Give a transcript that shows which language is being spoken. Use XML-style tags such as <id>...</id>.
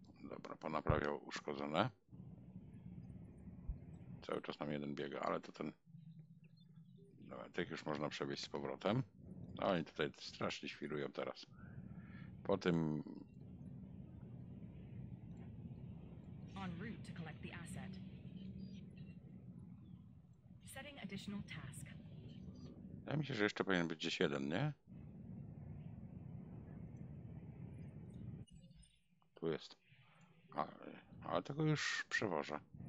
<pl>Dobra, ponaprawiał uszkodzone. Cały czas nam jeden biega, ale to ten... Dobra, tych już można przewieźć z powrotem. No, oni tutaj strasznie świrują teraz. Po tym...</pl> <en>On route to collect the asset. Setting additional task.</en> <pl>Wydaje mi się, że jeszcze powinien być gdzieś jeden, nie? Tu jest. Ale tego już przewożę.</pl>